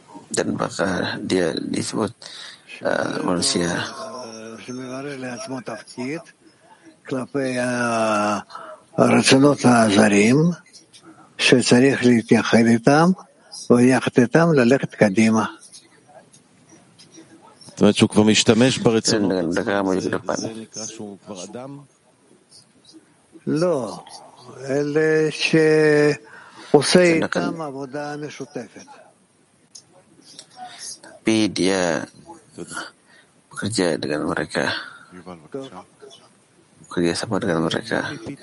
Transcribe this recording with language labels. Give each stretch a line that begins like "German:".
Indonesian: dan maka dia disebut manusia
Hebrew: שמברר לעצמו תפקיד כלפי הרצונות הזרים שצריך להתייחד איתם ויחד איתם ללכת קדימה. זאת אומרת שהוא כבר משתמש ברצונות. זה נקרא שהוא כבר אדם? לא, אלה שעושה איתם עבודה משותפת.
Indonesian: Dia bekerja dengan mereka, bekerja sama dengan mereka.